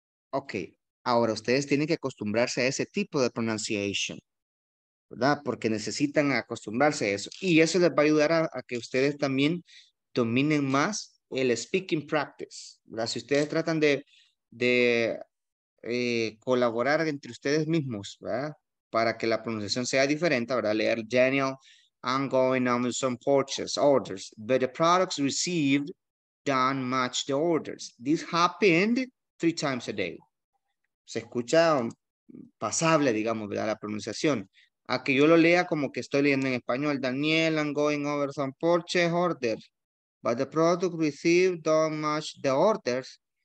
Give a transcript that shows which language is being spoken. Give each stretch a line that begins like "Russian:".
Spanish: Ok, ahora ustedes tienen que acostumbrarse a ese tipo de pronunciation, ¿verdad? Porque necesitan acostumbrarse a eso. Y eso les va a ayudar a que ustedes también dominen más el speaking practice, ¿verdad? Si ustedes tratan de colaborar entre ustedes mismos, ¿verdad? Para que la pronunciación sea diferente, ¿verdad?
English: Leer Daniel, I'm going on with some purchase orders, but the products received don't match the orders. This happened 3 times a day.
Spanish: Se escucha pasable, digamos, ¿verdad? La pronunciación. A que yo lo lea como que estoy leyendo en español.
English: Daniel, I'm going over some purchase orders, but the product received don't match the orders.